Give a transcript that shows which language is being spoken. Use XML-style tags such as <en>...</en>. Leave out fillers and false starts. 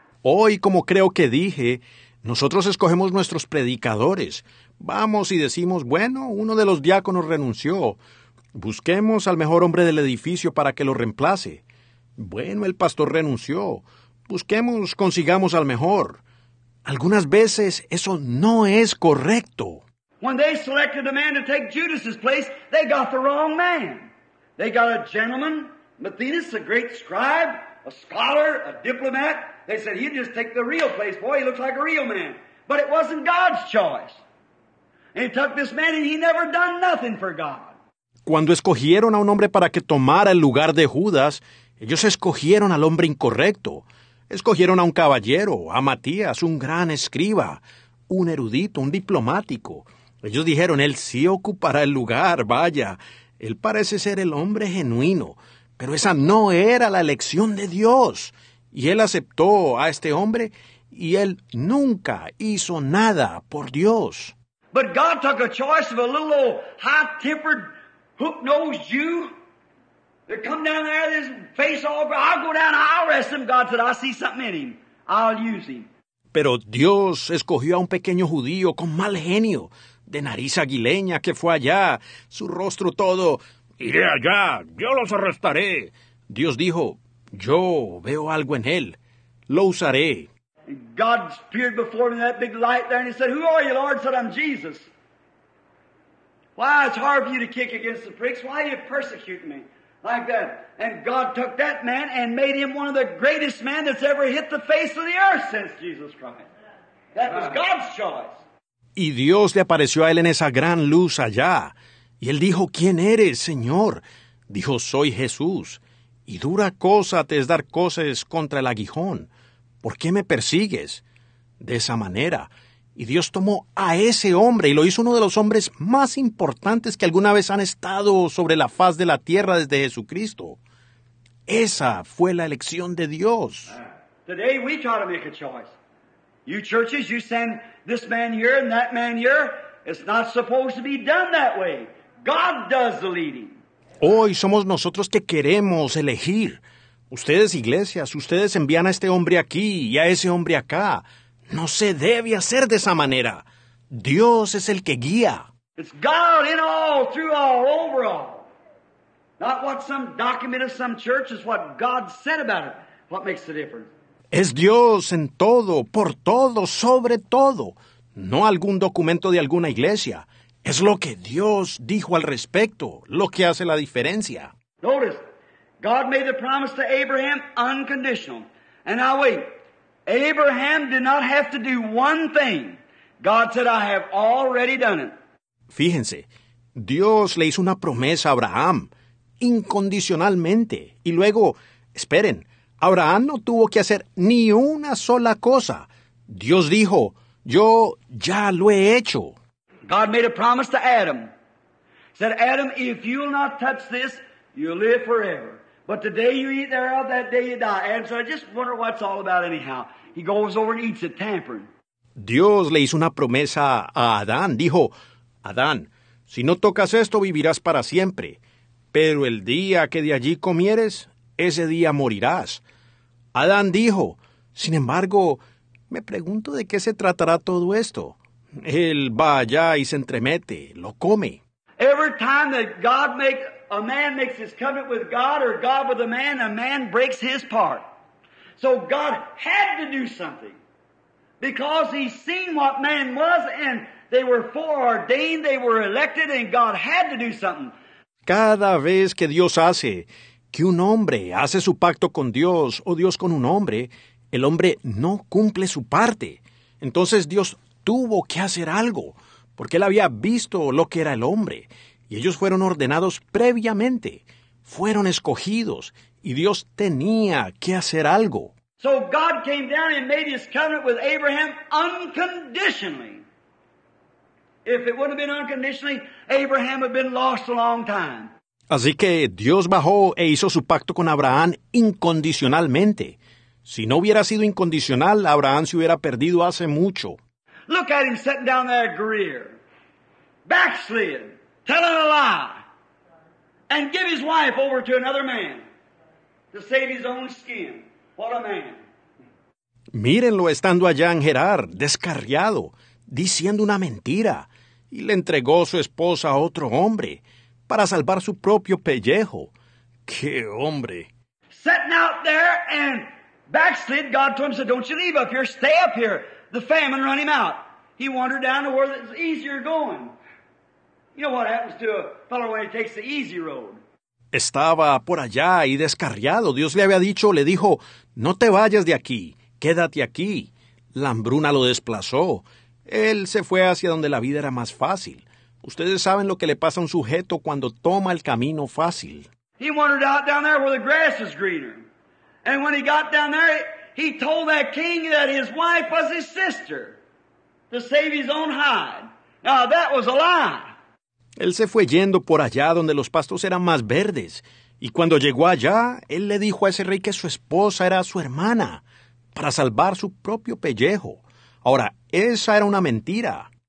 <es>Hoy, como creo que dije, nosotros escogemos nuestros predicadores. Vamos y decimos, bueno, uno de los diáconos renunció. Busquemos al mejor hombre del edificio para que lo reemplace. Bueno, el pastor renunció. Busquemos, consigamos al mejor. Algunas veces eso no es correcto.</es> <en>When they selected a man to take Judas's place, they got the wrong man. They got a gentleman, Matthias, a great scribe, a scholar, a diplomat. They said, he'd just take the real place. Boy, he looks like a real man. But it wasn't God's choice. And he took this man and he never done nothing for God.</en> <es>Cuando escogieron a un hombre para que tomara el lugar de Judas, ellos escogieron al hombre incorrecto. Escogieron a un caballero, a Matías, un gran escriba, un erudito, un diplomático. Ellos dijeron, él sí ocupará el lugar, vaya. Él parece ser el hombre genuino. Pero esa no era la elección de Dios. Y él aceptó a este hombre y él nunca hizo nada por Dios.</es> <en>But God took a choice of a little old high-tempered hook-nosed Jew that come down there, his face all over. I'll go down, I'll arrest him. God said, I see something in him. I'll use him.</en> <es>Pero Dios escogió a un pequeño judío con mal genio, de nariz aguileña, que fue allá, su rostro todo. Iré allá, yo los arrestaré. Dios dijo, yo veo algo en él. Lo usaré.</es> <en>God appeared before me in that big light there and he said, who are you, Lord? I said, I'm Jesus. Why, it's hard for you to kick against the pricks. Why do you persecute me like that? And God took that man and made him one of the greatest men that's ever hit the face of the earth since Jesus Christ. That was God's choice.</en> <es>Y Dios le apareció a él en esa gran luz allá. Y él dijo, ¿quién eres, Señor? Dijo, soy Jesús. Y dura cosa te es dar cosas contra el aguijón. ¿Por qué me persigues? De esa manera. Y Dios tomó a ese hombre y lo hizo uno de los hombres más importantes que alguna vez han estado sobre la faz de la tierra desde Jesucristo. Esa fue la elección de Dios.</es> <en>Today we try to make a choice. You churches, you send this man here and that man here. It's not supposed to be done that way. God does the leading.</en> <es>Hoy somos nosotros que queremos elegir. Ustedes, iglesias, ustedes envían a este hombre aquí y a ese hombre acá. No se debe hacer de esa manera. Dios es el que guía.</es> <en>It's God in all, through all, over all. Not what some document of some church is what God said about it. What makes the difference?</en> <es>Es Dios en todo, por todo, sobre todo. No algún documento de alguna iglesia. Es lo que Dios dijo al respecto, lo que hace la diferencia.</es> <en>Notice, God made the promise to Abraham unconditional. And now wait, Abraham did not have to do one thing. God said, I have already done it.</en> <es>Fíjense, Dios le hizo una promesa a Abraham, incondicionalmente. Y luego, esperen, Abraham no tuvo que hacer ni una sola cosa. Dios dijo, yo ya lo he hecho.</es> <en>God made a promise to Adam. Said, Adam, if you'll not touch this, you'll live forever. But the day you eat thereof, that day you die. And so I just wonder what's all about anyhow. He goes over and eats it, tampering.</en> <es>Dios le hizo una promesa a Adán. Dijo, Adán, si no tocas esto, vivirás para siempre. Pero el día que de allí comieres, ese día morirás. Adán dijo, sin embargo, me pregunto de qué se tratará todo esto. Él va allá y se entremete, lo come.</es> <en>Every time that God makes a man makes his covenant with God or God with a man breaks his part. So God had to do something because he seen what man was and they were foreordained, they were elected, and God had to do something.</en> <es>Cada vez que Dios hace que un hombre hace su pacto con Dios o Dios con un hombre, el hombre no cumple su parte. Entonces Dios tuvo que hacer algo, porque él había visto lo que era el hombre, y ellos fueron ordenados previamente, fueron escogidos, y Dios tenía que hacer algo.</es> <en>So God came down and made his covenant with Abraham unconditionally. If it wouldn't have been unconditionally, Abraham would have been lost a long time.</en> <es>Así que Dios bajó e hizo su pacto con Abraham incondicionalmente. Si no hubiera sido incondicional, Abraham se hubiera perdido hace mucho.</es> <en>Look at him sitting down there at Greer, backslid, telling a lie, and give his wife over to another man to save his own skin. What a man.</en> <es>Mírenlo estando allá en Gerard, descarriado, diciendo una mentira, y le entregó su esposa a otro hombre para salvar su propio pellejo. ¡Qué hombre!</es> <en>Sitting out there and backslid, God told him, said, don't you leave up here, stay up here. The famine run him out. He wandered down to where it's easier going. You know what happens to a fellow when he takes the easy road.</en> <es>Estaba por allá y descarriado. Dios le había dicho, le dijo, no te vayas de aquí, quédate aquí. La hambruna lo desplazó. Él se fue hacia donde la vida era más fácil. Ustedes saben lo que le pasa a un sujeto cuando toma el camino fácil.</es> <en>He wandered out down there where the grass is greener. And when he got down there, he told that king that his wife was his sister to save his own hide. Now, that was a lie.</en> <es>Él se fue yendo por allá donde los pastos eran más verdes. Y cuando llegó allá, él le dijo a ese rey que su esposa era su hermana para salvar su propio pellejo. Ahora, esa era una mentira.</es>